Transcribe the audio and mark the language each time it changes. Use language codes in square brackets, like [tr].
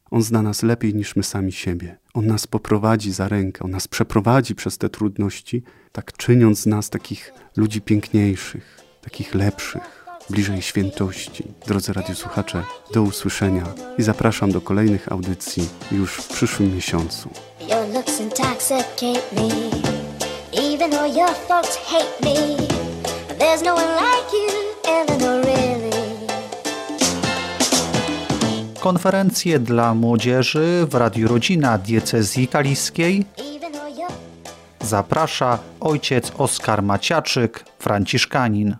[pl] On zna nas lepiej niż my sami siebie. On nas poprowadzi za rękę, On nas przeprowadzi przez te trudności, tak czyniąc z nas takich ludzi piękniejszych, takich lepszych. Bliżej świętości. Drodzy radiosłuchacze, do usłyszenia i zapraszam do kolejnych audycji już w przyszłym miesiącu. [en] Your looks intoxicate me, even though your folks hate me. There's no one like you, Eleanor, really. [pl] Konferencje dla młodzieży w Radiu Rodzina Diecezji Kaliskiej zaprasza ojciec Oskar Maciaczyk, franciszkanin.